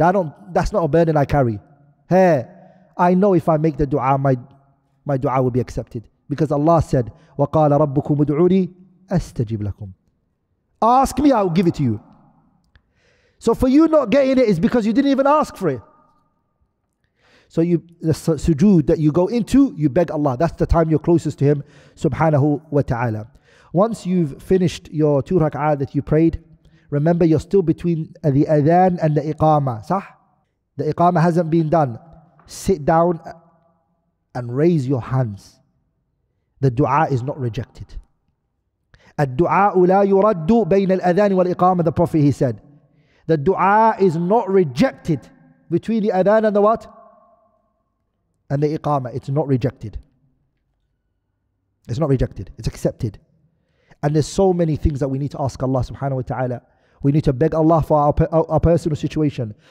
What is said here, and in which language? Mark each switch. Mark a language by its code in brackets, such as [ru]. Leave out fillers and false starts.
[en] That's not a burden I carry. Hey, I know if I make the dua, my dua will be accepted. Because Allah said, [ar] وَقَالَ رَبُّكُمُ ادْعُونِي أَسْتَجِبْ لَكُمْ. [en] Ask me, I will give it to you. So for you not getting it is because you didn't even ask for it. So you, the sujood that you go into, you beg Allah. That's the time you're closest to Him, subhanahu wa ta'ala. Once you've finished your two rak'ah that you prayed, remember you're still between the adhan and the iqamah, sah? The iqamah hasn't been done. Sit down and raise your hands. The dua is not rejected. [ar] الدُعاءُ لا يُرَدُّ بين الأذان والإقامة. [en] The Prophet, he said, the dua is not rejected between the adhan and the what? And the iqamah. It's not rejected. It's not rejected. It's accepted. And there's so many things that we need to ask Allah subhanahu wa ta'ala. We need to beg Allah for our personal situation.